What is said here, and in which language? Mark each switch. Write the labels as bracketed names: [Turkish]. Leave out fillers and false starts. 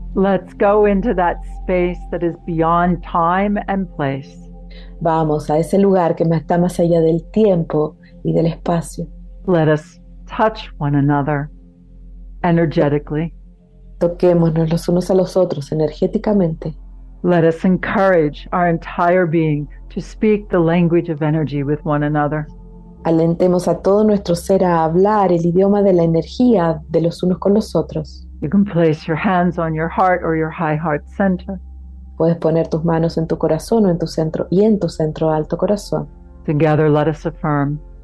[English] Let's go into that space that is beyond time and place. [Spanish] Vamos a ese lugar que está más allá del tiempo y del espacio. [English] Let us touch one another energetically. [Spanish] Toquémonos los unos a los otros energéticamente. [English] Let us encourage our entire being to speak the language of energy with one another. [Spanish] Alentemos a todo nuestro ser a hablar el idioma de la energía de los unos con los otros. [English] You can place your hands on your heart or your high heart center. [Spanish] Puedes poner tus manos en tu corazón o en tu centro y en tu centro alto corazón. [English] Together, let us affirm.